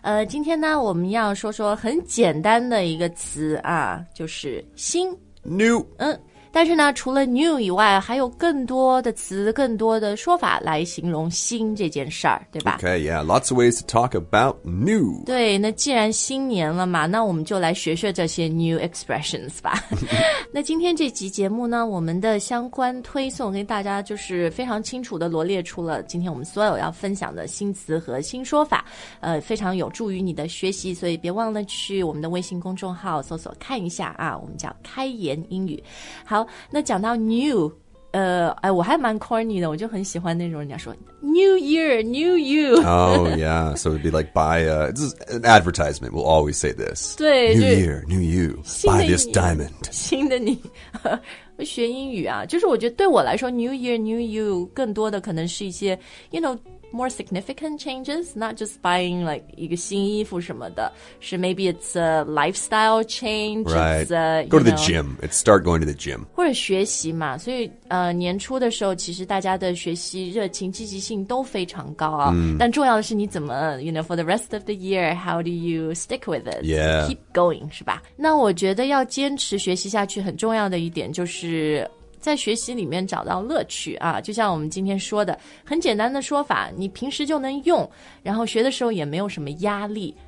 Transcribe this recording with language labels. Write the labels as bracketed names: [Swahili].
[Chinese] 今天呢，我们要说说很简单的一个词啊，就是新 [English] new。 [Chinese] 但是呢，除了 new 以外，还有更多的词、更多的说法来形容新这件事儿，对吧 [English] ？Okay, yeah, lots of ways to talk about new. [Chinese] 对，那既然新年了嘛，那我们就来学学这些 [English] new expressions [Chinese] 吧。那今天这集节目呢，我们的相关推送给大家就是非常清楚的罗列出了今天我们所有要分享的新词和新说法，非常有助于你的学习，所以别忘了去我们的微信公众号搜索看一下啊，我们叫开言英语。好，那讲到 new， 我还蛮 corny 的，我就很喜欢那种人家说 [English] new year， new you。 Oh yeah, so it'd be like buy a, this is an advertisement. We'll always say this. [Chinese] 对 [English] ，new year, new you. Buy this diamond. [Chinese] 新的你，学英语啊，就是我觉得对我来说 ， [English] new year, new you， [Chinese] 更多的可能是一些 ， [English] you know。 More significant changes, not just buying like [Chinese] 一个新衣服什么的， [English] 是 maybe it's a lifestyle change. Right. It's a, go to the gym. It's start going to the gym. [Chinese] 或者学习嘛，所以年初的时候，其实大家的学习热情、积极性都非常高啊。 Mm. 但重要的是你怎么 [English] you know for the rest of the year, how do you stick with it? Yeah. Keep going, [Chinese] 是吧？那我觉得要坚持学习下去，很重要的一点就是。在学习里面找到乐趣啊，就像我们今天说的，很简单的说法，你平时就能用，然后学的时候也没有什么压力。